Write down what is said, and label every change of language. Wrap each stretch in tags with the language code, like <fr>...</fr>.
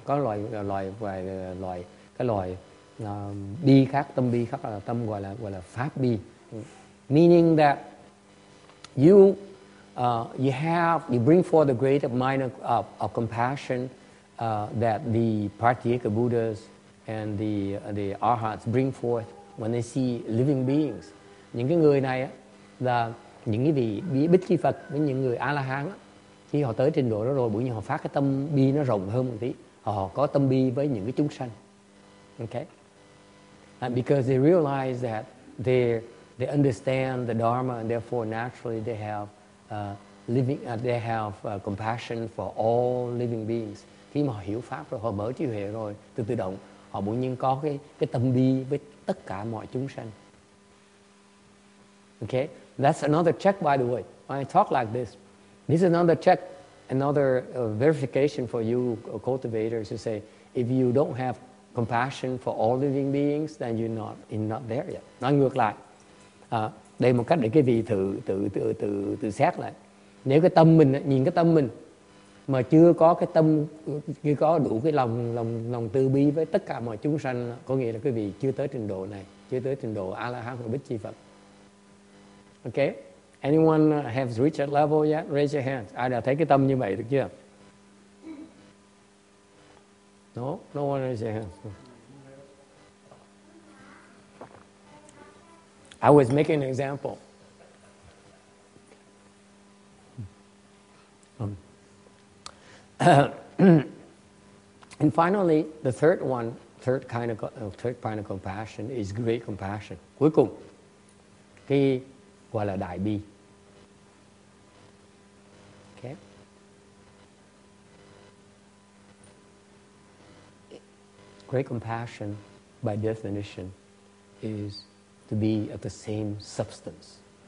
<vi>Có bi khác, tâm bi khác, là tâm gọi là pháp bi.</vi> <en>Meaning that you bring forth the great mind of compassion that the Pratyeka Buddhas and the Arhats bring forth when they see living beings.</en> <vi>Những cái người này á, là những cái vị Bích Chi Phật với những người A-la-hán á, khi họ tới trình độ đó rồi, bởi vì họ phát cái tâm bi nó rộng hơn một tí, họ có tâm bi với những cái chúng sanh.</vi> <en>Okay? And because they realize that they understand the Dharma, and therefore naturally they have compassion for all living beings.</en> <vi>Khi mà họ hiểu pháp rồi, họ mở trí huệ rồi, từ tự động họ bỗng nhiên có cái tâm bi với tất cả mọi chúng sanh.</vi> <en>Okay, that's another check, by the way. When I talk like this, this is another check, another verification for you cultivators to say, if you don't have compassion for all living beings, then you're not there yet.</en> <vi>Nói ngược lại, đây một cách để cái vị tự xét lại. Nếu cái tâm mình, nhìn cái tâm mình mà chưa có cái tâm, chưa có đủ cái lòng từ bi với tất cả mọi chúng sanh, có nghĩa là quý vị chưa tới trình độ này, chưa tới trình độ A-la-hán hoặc Bích Chi Phật. Okay?</vi> <en>Anyone has reached that level yet? Raise your hands.</en> <vi>Ai đã thấy cái tâm như vậy được chưa?</vi> <en>No, no one raised their hands. I was making an example. And finally, the third kind of compassion is great compassion.</en> <vi>Cuối cùng, cái gọi là đại bi.</vi> <en>Okay. Great compassion, by definition, is to be of the same substance.</en>